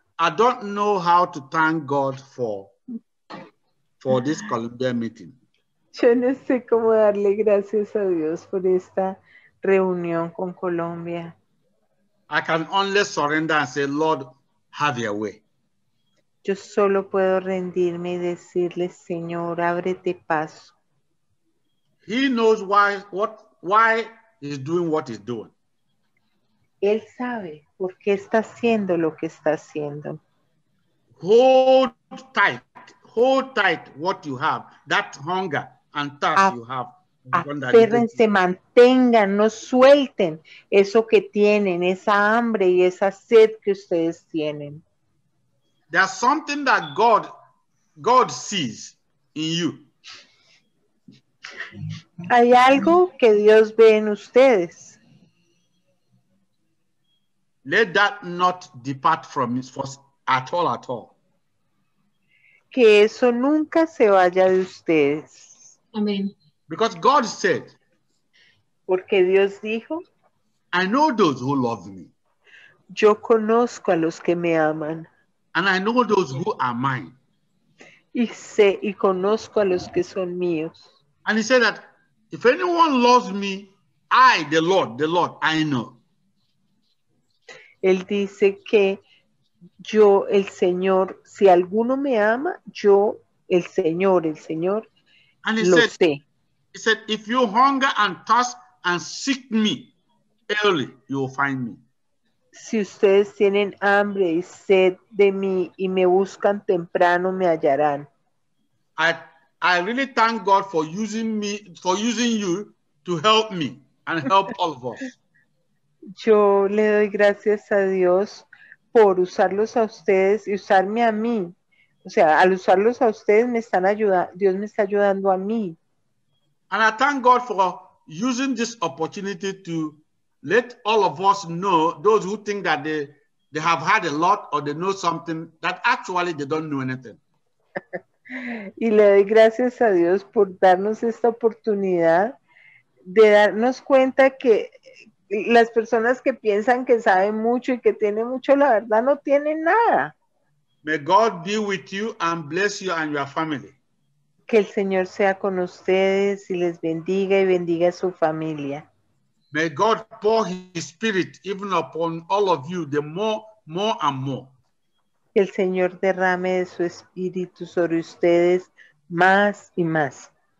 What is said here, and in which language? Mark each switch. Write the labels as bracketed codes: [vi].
[en] I don't know how to thank God for this Columbia meeting. [es] Yo no sé cómo darle gracias a Dios por esta reunión con Colombia. [en] I can only surrender and say, Lord, have your way. [es] Yo solo puedo rendirme y decirle, Señor, ábrete paso. [en] He knows why he's doing what he's doing. [es] Él sabe por qué está haciendo lo que está haciendo. [en] Hold tight what you have, that hunger and thirst you have. [es] Aférrense, mantengan, no suelten eso que tienen, esa hambre y esa sed que ustedes tienen. [en] There's something that God sees in you. [es] Hay algo que Dios ve en ustedes. [en] Let that not depart from us at all. Que eso nunca se vaya de ustedes. Amen. Because God said. [es] Porque Dios dijo. [en] I know those who love me. [es] Yo conozco a los que me aman. [en] And I know those who are mine. [es] Y conozco a los que son míos. [en] And he said that if anyone loves me, I, the Lord, I know. [es] Él dice que yo, el Señor, si alguno me ama, yo, el Señor, [en] and [es] lo sé. [en] He said, if you hunger and thirst and seek me early, you will find me. [es] Si ustedes tienen hambre y sed de mí y me buscan temprano, me hallarán. [en] I really thank God for using you to help me and help all of us. [es] Yo le doy gracias a Dios por usarlos a ustedes y usarme a mí. O sea, al usarlos a ustedes Dios me está ayudando a mí. [en] And I thank God for using this opportunity to let all of us know, those who think that they have had a lot or they know something, that actually they don't know anything. [es] Y le doy gracias a Dios por darnos esta oportunidad de darnos cuenta que las personas que piensan que saben mucho y que tienen mucho, la verdad no tienen nada. [en] May God be with you and bless you and your family. [es] Que el Señor sea con ustedes y les bendiga y bendiga a su familia. [en] May God pour his spirit even upon all of you, the more and more. [es] Que el Señor derrame de su espíritu sobre ustedes más y más.